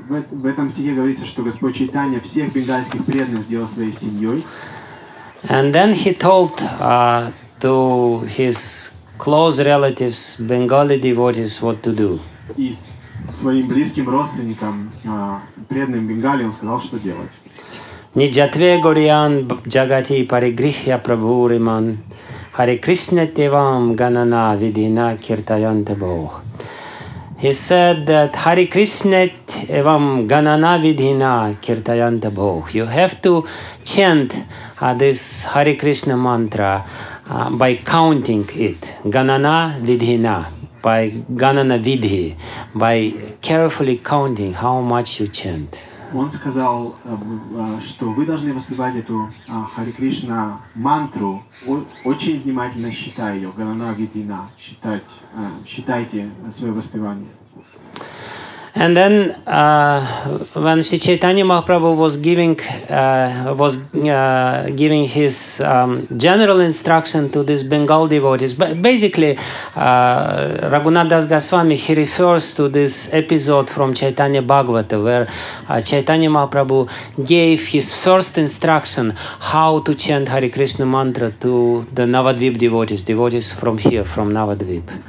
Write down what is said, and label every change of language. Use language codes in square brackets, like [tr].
[ru] В этом стихе говорится, что Господь Чайтанья всех бенгальских преданных сделал своей семьей. [en] And then he told to his close relatives, Bengali devotees, what to do. [ru] И своим близким родственникам, преданным Бенгали, он сказал, что делать. [sa] Nijatve Goryan Jagati Parigrihya Prabhuriman Hare Krishna Tevam Ganana Vidina Kirtayante Boh. [en] He said that [sa] Hare Krishna Tevam Ganana Vidina Kirtayante Boh. [en] You have to chant this Hare Krishna mantra by counting it. Ganana Vidhina. By Ganana Vidhi. By carefully counting how much you chant. [ru] Он сказал, что вы должны воспевать эту Хари Кришна мантру, очень внимательно считая ее, Ганана Видина, считайте свое воспевание. [en] And then when Sri Chaitanya Mahaprabhu was giving giving his general instruction to these Bengal devotees, basically Raghunath Das Goswami, he refers to this episode from Chaitanya Bhagavata where Chaitanya Mahaprabhu gave his first instruction how to chant Hare Krishna mantra to the Navadvip devotees from here, from Navadvip.